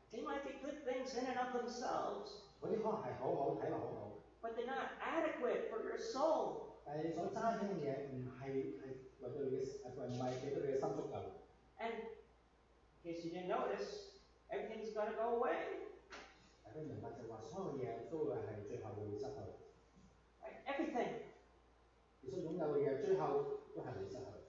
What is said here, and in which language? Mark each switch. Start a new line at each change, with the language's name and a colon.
English: They might be good things in and of themselves.
Cantonese: 嗰啲可能係好好，睇落好好。
English: But they're not adequate for your soul.
Cantonese: 但係你所揸緊嘅嘢唔係為到你嘅，唔係俾到你嘅心足夠。
English: And in case you didn't notice, everything's got to go away.
Cantonese: 大家明白就話，所有嘢都會係最後會失去。
English: Everything.
Cantonese: 你所擁有嘅嘢，最後都係會失去。